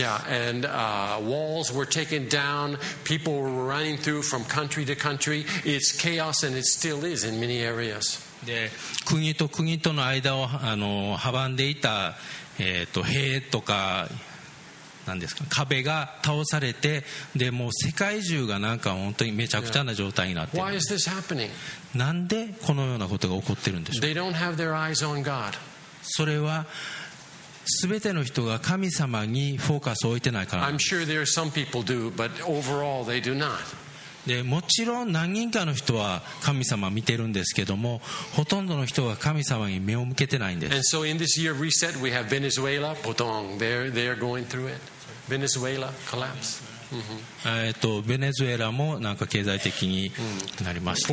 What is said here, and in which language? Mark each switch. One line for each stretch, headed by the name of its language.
English: Yeah, and walls were taken down. People were running through from country to country. It's chaos and it still is in many areas.
Japanese: で国と国との間を阻んでいた、塀とか何ですか壁が倒されて、でもう世界中がなんか本当にめちゃくちゃな状態になってる。
English: Why is this happening?
Japanese: なんでこのようなことが起こってるんでしょう。
English: They don't have their eyes on God.
Japanese: それは全ての人が神様にフォーカスを置いてないからなんです。
English: I'm sure there are some people do, but overall they do not.
Japanese: でもちろん何人かの人は神様を見てるんですけども、ほとんどの人は神様に目を向けてないんです。
English: And so in this year of reset we have Venezuela, Potong, they're going through it. Venezuela collapse.
Japanese: ベネズエラもなんか経済的になりました。